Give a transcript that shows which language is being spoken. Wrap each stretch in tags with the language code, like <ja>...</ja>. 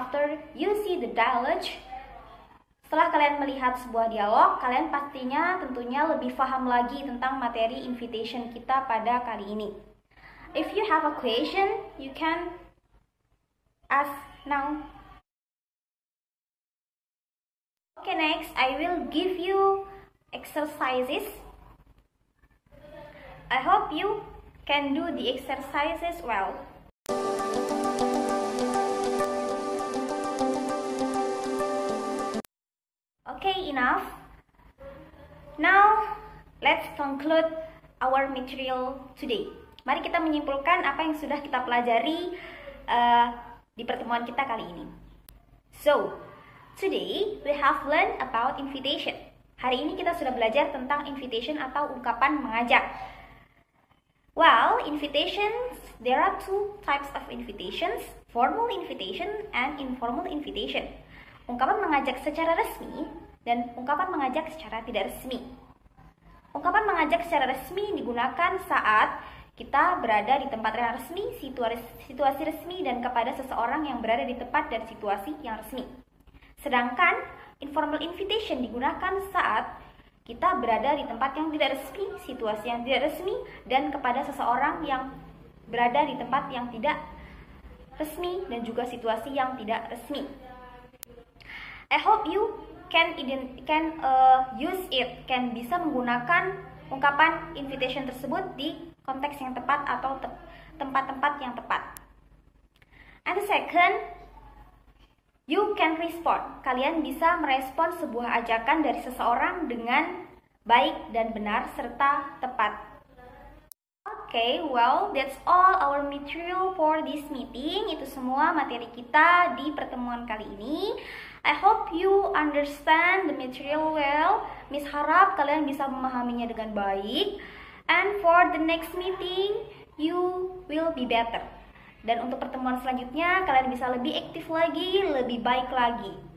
<id>Setelah kalian melihat sebuah dialog, kalian pastinya tentunya lebih paham lagi tentang materi invitation kita pada kali ini.</id> <en>If you have a question, you can ask now. Okay, next, I will give you exercises. I hope you can do the exercises well. Okay, enough. Now, let's conclude our material today.</en> <id>Mari kita menyimpulkan apa yang sudah kita pelajari di pertemuan kita kali ini.</id> <en>So, today we have learned about invitation.</en> <id>Hari ini kita sudah belajar tentang invitation atau ungkapan mengajak.</id> <en>Well, invitations, there are two types of invitations, formal invitation and informal invitation.</en> <id>Ungkapan mengajak secara resmi dan ungkapan mengajak secara tidak resmi. Ungkapan mengajak secara resmi digunakan saat kita berada di tempat yang resmi, situasi resmi, dan kepada seseorang yang berada di tempat dan situasi yang resmi. Sedangkan informal invitation digunakan saat kita berada di tempat yang tidak resmi, situasi yang tidak resmi, dan kepada seseorang yang berada di tempat yang tidak resmi dan juga situasi yang tidak resmi.</id> <en>I hope you can</en> <id>bisa menggunakan ungkapan invitation tersebut di konteks yang tepat atau tempat-tempat yang tepat.</id> <en>And the second, you can respond.</en> <id>Kalian bisa merespon sebuah ajakan dari seseorang dengan baik dan benar serta tepat.</id> <en>Okay, well, that's all our material for this meeting.</en> <id>Itu semua materi kita di pertemuan kali ini.</id> <en>I hope you understand the material well.</en> <id>Miss harap kalian bisa memahaminya dengan baik.</id> <en>And for the next meeting, you will be better.</en> <id>Dan untuk pertemuan selanjutnya, kalian bisa lebih aktif lagi, lebih baik lagi.</id>